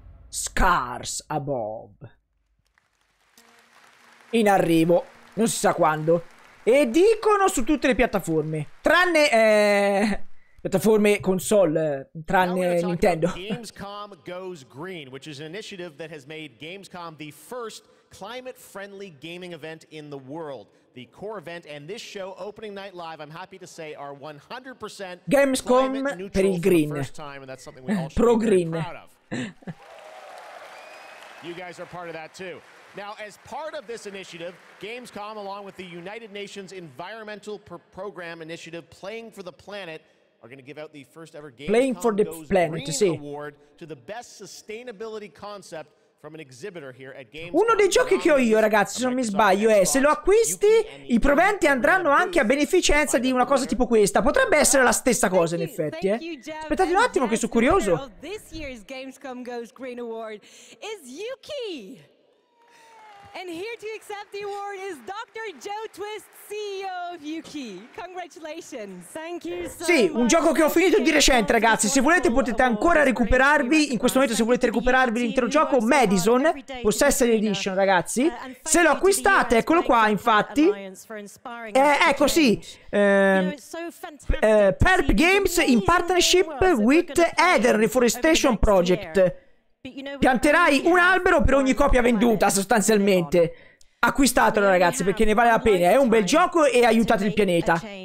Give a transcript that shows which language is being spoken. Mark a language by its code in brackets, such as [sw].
[en] Scars above. [it] In arrivo, non si sa quando. E dicono su tutte le piattaforme, tranne piattaforme console, tranne Nintendo. [en] Gamescom Goes Green, which is an initiative that has made Gamescom the first climate friendly gaming event in the world. The core event and this show opening night live, I'm happy to say, are 100% [it] Gamescom per il green. Pro green. [en] You guys are part of that too. Now, as part of this initiative, Gamescom, along with the United Nations Environmental Program Initiative, Playing for the Planet, are going to give out the first ever Gamescom Goes Green [it] sì. [en] Award to the best sustainability concept from an exhibitor here at Gamescom. [it] Uno dei giochi che ho io, ragazzi, se non mi sbaglio, è se lo acquisti, i proventi andranno anche a beneficenza di una cosa tipo questa. Potrebbe essere la stessa cosa, in effetti, eh. Aspettate un attimo, che sono curioso. [en] This year's Gamescom Goes Green Award is Yuki. And here to accept the award is Dr. Joe Twist, CEO of Yuki. Congratulations. Thank you so much. [it] Sì, un gioco che ho finito di recente, ragazzi. Se volete potete ancora recuperarvi, in questo momento se volete recuperarvi l'intero gioco, Madison, Possessed Edition, ragazzi. Se lo acquistate, eccolo qua, infatti. Ecco, sì. [en] Perp Games in partnership with Eden Reforestation Project. [it] Pianterai un albero per ogni copia venduta, sostanzialmente. Acquistatelo, ragazzi, perché ne vale la pena. È un bel gioco e aiutate il pianeta.